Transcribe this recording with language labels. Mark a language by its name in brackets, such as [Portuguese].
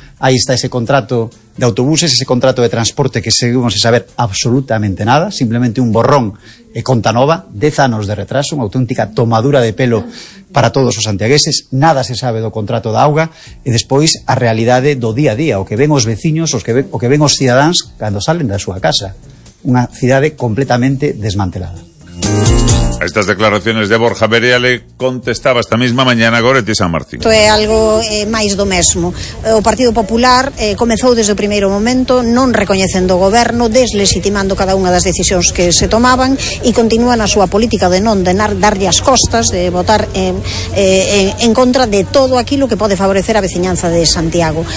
[Galician] Aí está ese contrato de autobuses, ese contrato de transporte que [Spanish] seguimos sin saber absolutamente nada, [Galician] simplemente un borrón e conta nova, 10 anos de retraso, unha auténtica tomadura de pelo para todos os santiagueses. Nada se sabe do contrato da auga, e despois a realidade do día a día, o que ven os veciños, o que ven os cidadáns cando salen da súa casa. [Spanish] Una ciudad completamente desmantelada. A estas declaraciones de Borja Berea le contestaba esta misma mañana Goretti San Martín. [Galician] Esto é algo máis do mesmo. O Partido Popular comezou desde o primeiro momento non recoñecendo o goberno, deslexitimando cada unha das decisións que se tomaban e continúan a súa política de non darlle as costas, de votar en contra de todo aquilo que pode favorecer a veciñanza de Santiago.